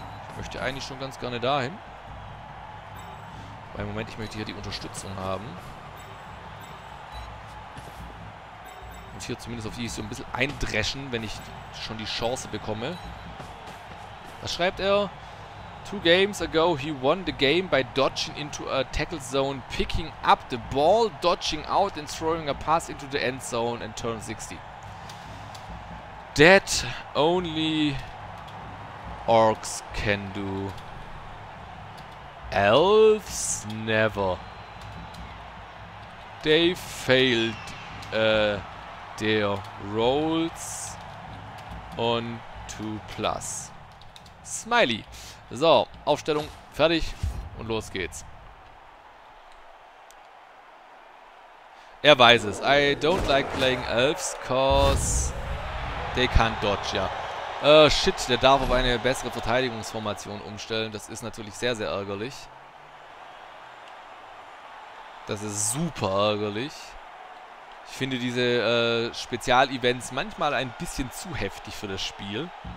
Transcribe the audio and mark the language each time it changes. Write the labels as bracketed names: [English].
[German] Ich möchte eigentlich schon ganz gerne dahin. Weil im Moment, ich möchte hier die Unterstützung haben. Und hier zumindest auf die ich so ein bisschen eindreschen, wenn ich schon die Chance bekomme. Was schreibt er? [English] 2 games ago he won the game by dodging into a tackle zone, picking up the ball, dodging out and throwing a pass into the end zone and turn 60. That only orcs can do. Elves never. They failed their rolls on 2+. Smiley. [German] So, Aufstellung fertig und los geht's. Er weiß es. [English] I don't like playing elves, cause they can't dodge, ja. [German] Shit, der darf auf eine bessere Verteidigungsformation umstellen. Das ist natürlich sehr, sehr ärgerlich. Das ist super ärgerlich. Ich finde diese Spezialevents manchmal ein bisschen zu heftig für das Spiel.